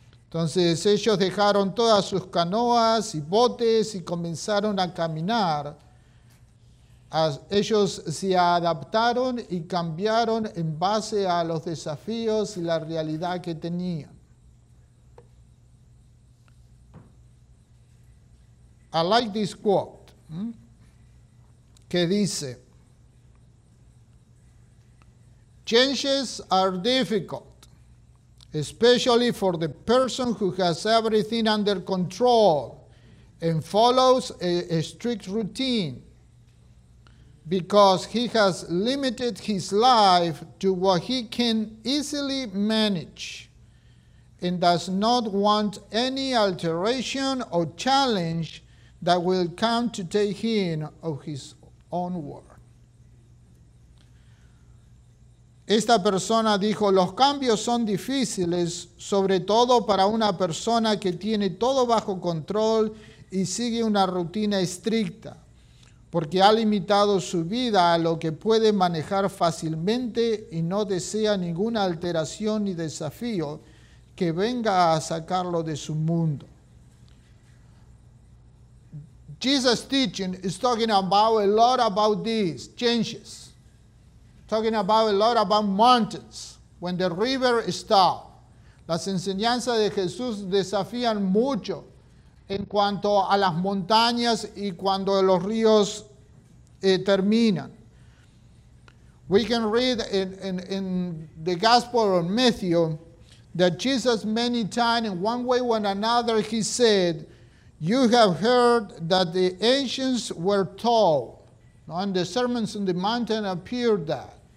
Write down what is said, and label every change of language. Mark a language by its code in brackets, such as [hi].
[es] Entonces, ellos dejaron todas sus canoas y botes y comenzaron a caminar. Ellos se adaptaron y cambiaron en base a los desafíos y la realidad que tenían. [en] I like this quote, [es] que dice, [en] changes are difficult, especially for the person who has everything under control and follows a strict routine, because he has limited his life to what he can easily manage and does not want any alteration or challenge that will come to take heed of his own word. [es] Esta persona dijo, los cambios son difíciles, sobre todo para una persona que tiene todo bajo control y sigue una rutina estricta, porque ha limitado su vida a lo que puede manejar fácilmente y no desea ninguna alteración ni desafío que venga a sacarlo de su mundo. [en] Jesus' teaching is talking about a lot about these changes. Talking about a lot about mountains. When the river stops. [es] Las enseñanzas de Jesús desafían mucho en cuanto a las montañas y cuando los ríos terminan. [en] We can read in the Gospel of Matthew that Jesus many times in one way or another he said, you have heard that the ancients were told, and the sermons on the mountain appeared that.